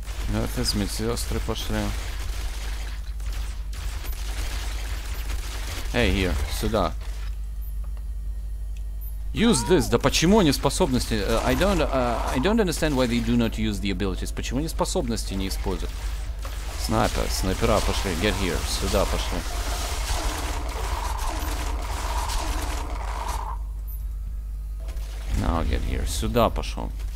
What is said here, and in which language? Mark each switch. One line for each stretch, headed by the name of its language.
Russian: Ну, это с медсестры пошли.
English: Hey, here.
Russian: Сюда.
English: Use this.
Russian: Да почему они способности...
English: I don't understand why they do not use the abilities.
Russian: Почему они способности не используют? Снайпера пошли.
English: Get here.
Russian: Сюда пошли.
English: Now get here.
Russian: Сюда пошел.